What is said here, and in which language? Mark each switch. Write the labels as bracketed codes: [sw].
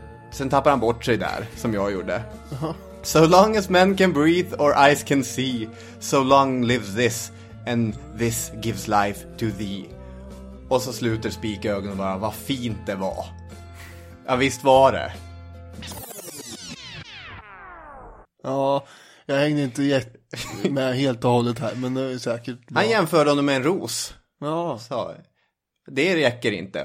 [sv] Sen tappar han bort sig där, som jag gjorde. [en] So long as men can breathe or eyes can see, so long lives this, and this gives life to thee. [sv] Och så sluter Spik ögonen och bara, vad fint det var. Ja, visst var det. Ja, jag hängde inte med helt och hållet här, men det är säkert bra. Han jämförde honom med en ros. Ja. Så, det räcker inte.